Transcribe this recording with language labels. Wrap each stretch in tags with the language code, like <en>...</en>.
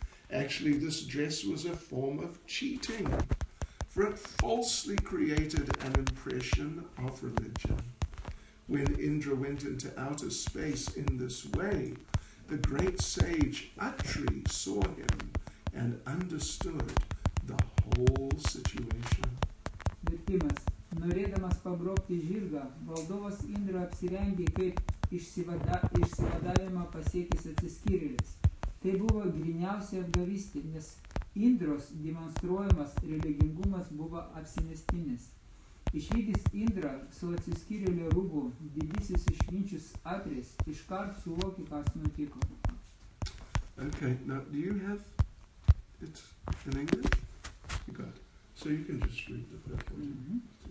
<en>Actually, this dress was a form of cheating, for it falsely created an impression of religion. When Indra went into outer space in this way, the great sage Atri saw him and understood the whole situation.</en> <lt>Vertimas, norėdamas pagrobti žirgą, valdovas Indra apsirengė kaip išsivadavimą pasiekęs atsiskyrėlis. Tai buvo gryniausia apgavystė, nes Indros demonstruojamas religingumas buvo apsimestinis. Išvydęs Indrą su atsiskyrėlio rūbu, didysis išminčius Atris iškart suvokė, kas nutiko.</lt> <en>Okay, now do you have it in English? You got it. So you can just read the first one.</en>